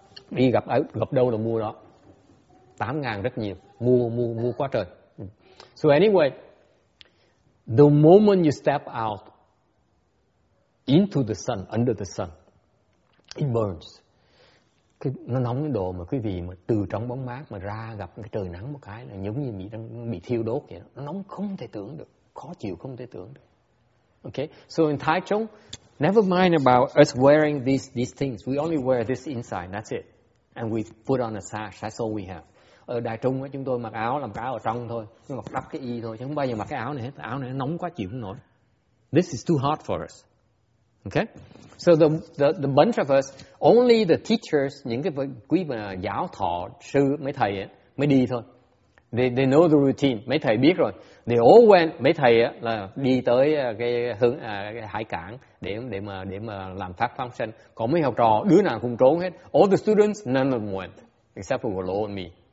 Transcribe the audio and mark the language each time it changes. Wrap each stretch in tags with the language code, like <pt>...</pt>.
<vi>Đi gặp đâu là mua đó. 8.000 rất nhiều, mua quá trời.</vi> <en>So anyway, the moment you step out into the sun, under the sun, it burns.</en> <vi>Nó nóng đến độ mà quý vị mà từ trong bóng mát mà ra gặp cái trời nắng một cái là giống như bị thiêu đốt vậy. Nó nóng không thể tưởng được, khó chịu không thể tưởng được.</vi> <en>Okay, so in Thái Trung, never mind about us wearing these things. We only wear this inside, that's it. And we put on a sash, that's all we have.</en> <vi>Ở Đại Trung ấy, chúng tôi mặc áo làm cái áo ở trong thôi, nhưng mà đắp cái y thôi, chứ không bao giờ mặc cái áo này hết. Áo này nó nóng quá chịu không nổi.</vi> <en>This is too hot for us. Okay, so the bunch of us, only the teachers,</en> <vi>những cái quý vị giáo thọ sư mấy thầy ấy, mới đi thôi.</vi> <en>They know the routine,</en> <vi>mấy thầy biết rồi.</vi> <en>They all went,</en> <vi>mấy thầy ấy, là đi tới cái hải cảng để mà làm pháp phong sanh. Còn mấy học trò đứa nào cũng trốn hết.</vi> <en>All the students none of them went except for Lo and me.</en>